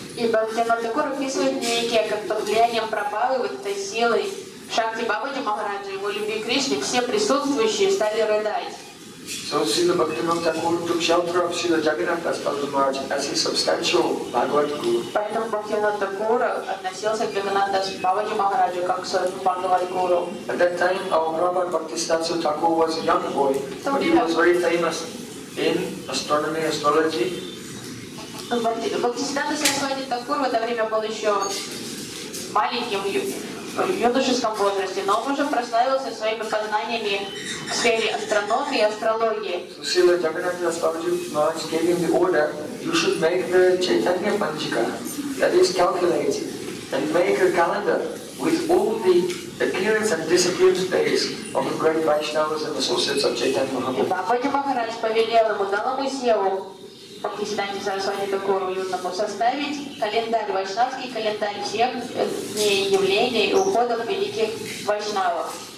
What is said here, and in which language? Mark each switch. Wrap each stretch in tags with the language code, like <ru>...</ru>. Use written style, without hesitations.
<ru>И Бхактивинода Кур описывает некие, как под влиянием Прабхавы, вот этой силы, Шакти Бабаджи Махараджа, его любви Кришне, все присутствующие стали рыдать.</ru> <en>So Srila Bhaktivinoda Kaur took shelter of Srila Jagannatha Das Babaji Maharaj as his substantial Bhagavad Guru.</en> <ru>Поэтому Бхактивинода Кур относился к Джаганнатха Дас Бабаджи Махараджу как к своему Бхагавад Гуру.</ru> <en>At that time, our Prabhupada Bhaktisiddhanta Thakur was a young boy, but he was very famous in astronomy, astrology.</en> <ru>Бхактисиддханта Сарасвати Такур в это время был еще маленьким в юношеском возрасте, но он уже прославился своими познаниями в сфере астрономии и астрологии.</ru> <en>Srila Jagannatha Das Babaji Maharaj gave him the order, you should make the Chaitanya Panchika, that is calculate, and make a calendar with all the appearance and disappearance days of the great Vaishnavas and associates of Chaitanya Mahaprabhu.</en> <ru>Бхактивинода Махарадж повелел ему, дал ему силу, Бхактисиддханте Сарасвати Такуру юному составить календарь, вайшнавский календарь всех явлений и уходов великих вайшнавов.</ru>